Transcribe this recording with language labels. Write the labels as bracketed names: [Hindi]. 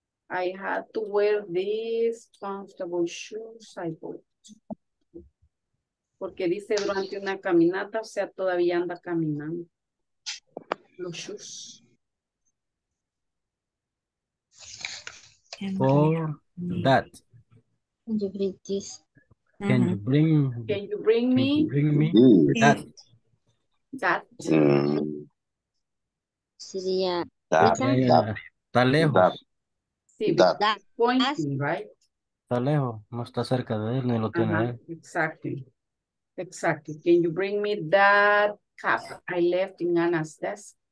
[English] I had to wear these comfortable shoes I bought. [Spanish] Porque dice durante una caminata, o sea, todavía anda caminando. Los shoes. [English] For that. Can you bring this? Can you bring, can you bring me? Bring me that. That. [Spanish] Sería. Está lejos. [English] That. [Spanish] Sí, [English] that. Pointing, as, right? [Spanish] Está lejos, no está cerca de él, ni lo tiene él. [English] Exactly. Exactly. Can you bring me that cup I left in Anna's desk?